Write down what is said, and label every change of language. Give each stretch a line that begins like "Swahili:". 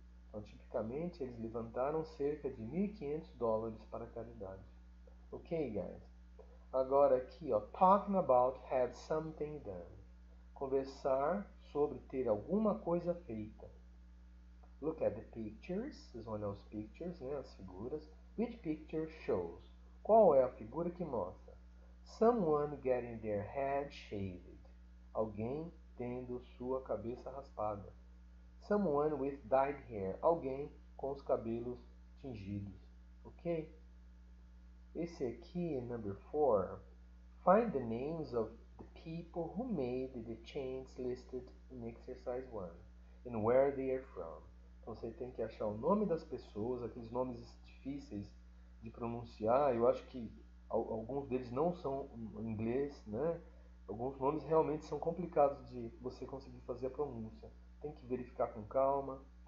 Portuguese: Então, tipicamente, eles levantaram cerca de 1.500 dólares para caridade.
English: Ok, guys?
Portuguese: Agora aqui, ó,
English: talking about have something done.
Portuguese: Conversar sobre ter alguma coisa feita.
English: Look at the pictures.
Portuguese: Vocês vão olhar os pictures, né? As figuras.
English: Which picture shows?
Portuguese: Qual é a figura que mostra?
English: Someone getting their head shaved.
Portuguese: Alguém tendo sua cabeça raspada.
English: Someone with dyed hair.
Portuguese: Alguém com os cabelos tingidos. Ok? Esse aqui, number 4.
English: Find the names of people who made the chains listed in exercise 1 and where they are from.
Portuguese: Então, você tem que achar o nome das pessoas, aqueles nomes difíceis de pronunciar. Eu acho que alguns deles não são em inglês, né? Alguns nomes realmente são complicados de você conseguir fazer a pronúncia. Tem que verificar com calma.